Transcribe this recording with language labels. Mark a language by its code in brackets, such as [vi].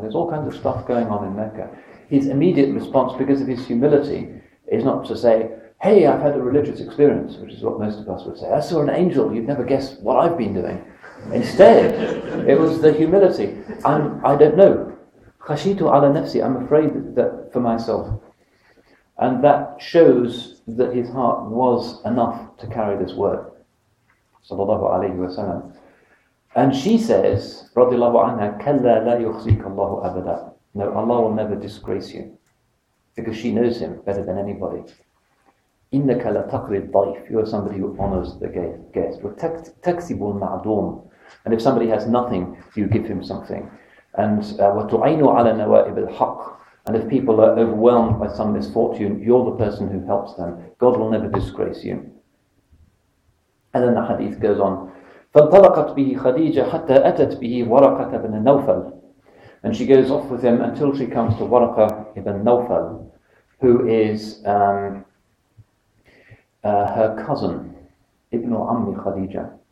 [en] There's all kinds of stuff going on in Mecca. His immediate response, because of his humility, is not to say, hey, I've had a religious experience, which is what most of us would say. I saw an angel, you'd never guess what I've been doing. Instead, it was the humility. I don't know. [ar] خَشِيتُ عَلَى نَفْسِي. [en] I'm afraid that for myself. And that shows that his heart was enough to carry this word. [ar] صَلَّى اللَّهُ عَلَيْهِ. [en] And she says, [ar] رَضِيَ اللَّهُ عَنْهَا, كَلَّا لَا يُخْزِيكَ اللَّهُ أَبَدًا. [en] No, Allah will never disgrace you, because she knows him better than anybody. [ar] إِنَّكَ لَتَقْرِ الضَّيْفِ. [en] You are somebody who honors the guest. [ar] وَتَكْسِبُ الْمَعْدُومِ. [en] And if somebody has nothing, you give him something. [ar] And وَتُعَيْنُ عَلَى نَوَائِبِ الْحَقِّ. [en] And if people are overwhelmed by some misfortune, you're the person who helps them. God will never disgrace you. And then the hadith goes on. [ar] فَانْطَلَقَتْ بِهِ خَدِيجَ حَتَّى أَتَتْ بِهِ وَرَقَةَ بْنَ نَوْفَلْ. [en] And she goes off with him until she comes to Waraqa ibn Nawfal, who is her cousin, Ibn Ammi Khadija.